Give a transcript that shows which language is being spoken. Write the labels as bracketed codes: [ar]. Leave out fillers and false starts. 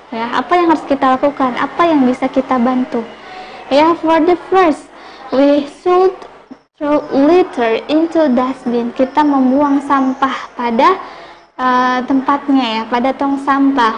[id] Ya, apa yang harus kita lakukan? Apa yang bisa kita bantu? [en] Ya, for the first, we should throw litter into dustbin. [id] Kita membuang sampah pada tempatnya, ya, pada tong sampah.